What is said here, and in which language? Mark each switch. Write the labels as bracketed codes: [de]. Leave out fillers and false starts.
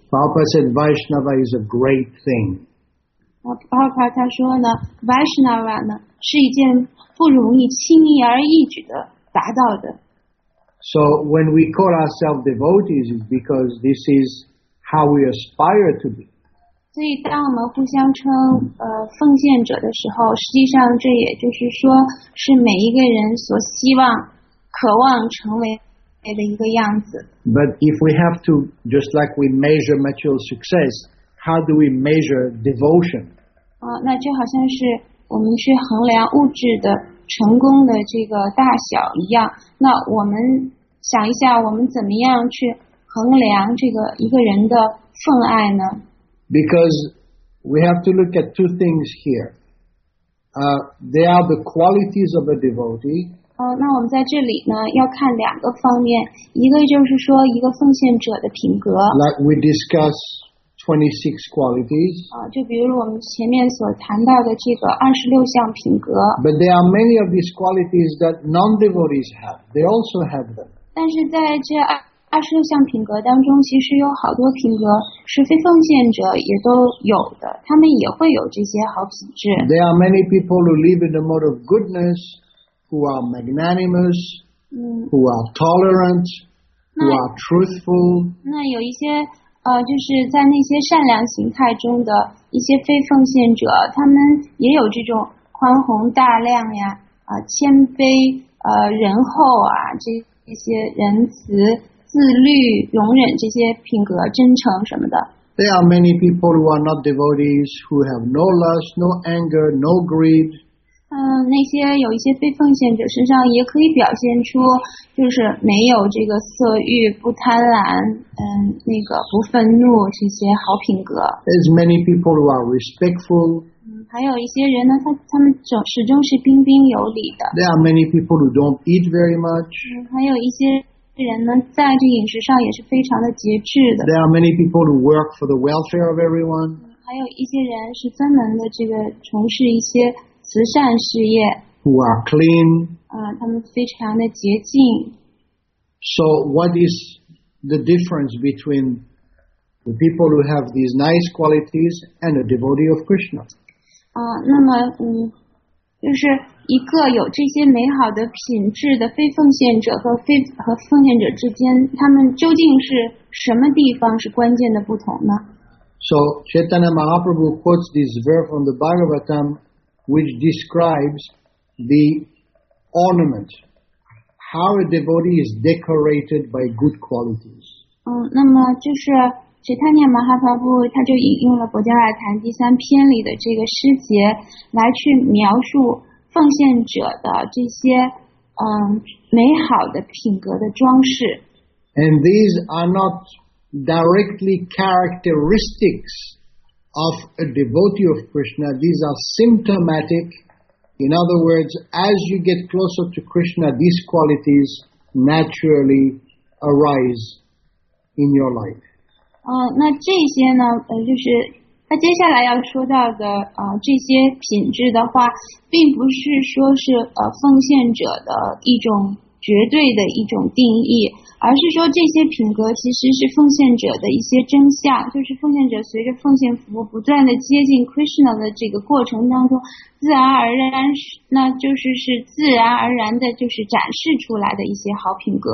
[en] Prabhupada said, "Vaishnava is a great thing." [zh] 那 Prabhupada 他说呢 ，Vaishnava 呢是一件不容易、轻易而易举的达到的。 [en] So when we call ourselves devotees, it's because this is how we aspire to be. [zh] 所以当我们互相称奉献者的时候，实际上这也就是说是每一个人所希望、渴望成为的一个样子。 [en] But if we have to, just like we measure material success, how do we measure devotion? [zh] 那就好像是我们去衡量物质的成功的这个大小一样，那我们想一下，我们怎么样去衡量这个一个人的份爱呢 [en] ？Because we have to look at two things here. They are the qualities of a devotee. [zh] 那我们在这里呢，要看两个方面，一个就是说一个奉献者的品格。 [en] Like we discuss 26 qualities. [zh] 就比如我们前面所谈到的这个26项品格。 [en] But there are many of these qualities that non-devotees have. They also have them. [zh] 但是在这26项品格当中，其实有好多品格是非奉献者也都有的，他们也会有这些好品质。 [en] There are many people who live in the mode of goodness. Who are magnanimous, who are tolerant, who are truthful. [zh] 那有一些就是在那些善良形态中的一些非奉献者，他们也有这种宽宏大量呀，谦卑，仁厚啊，这一些仁慈、自律、容忍这些品格，真诚什么的。 [en] There are many people who are not devotees who have no lust, no anger, no greed. [zh] 那些有一些非奉献者身上也可以表现出就是没有这个色欲不贪婪那个不愤怒这些好品格。 [en] There's many people who are respectful. [zh] 还有一些人呢他们始终是彬彬有礼的。 [en] There are many people who don't eat very much. [zh] 还有一些人呢在这饮食上也是非常的节制的。 [en] There are many people who work for the welfare of everyone. [zh] 还有一些人是专门的这个从事一些慈善事业 [en] ，who are clean， [zh] 他们非常的洁净。 [en] So what is the difference between the people who have these nice qualities and a devotee of Krishna？ [zh] 那么就是一个有这些美好的品质的非奉献者和奉献者之间，他们究竟是什么地方是关键的不同呢 [en] ？So Chaitanya Mahaprabhu quotes this verse from the Bhagavatam。 Which describes the ornament, how a devotee is decorated by good qualities. [zh] 那么就是释迦牟尼马哈帕布他就引用了《薄伽罗坛》第三篇里的这个诗节来去描述奉献者的这些美好的品格的装饰。 [en] And these are not directly characteristics. Of a devotee of Krishna, these are symptomatic. In other words, as you get closer to Krishna, these qualities naturally arise in your life. [zh] 那这些呢，就是那接下来要说到的这些品质的话，并不是说是奉献者的一种绝对的一种定义，而是说这些品格其实是奉献者的一些真相，就是奉献者随着奉献服务不断的接近 Krishna 的这个过程当中，自然而然，那就是是自然而然的，就是展示出来的一些好品格。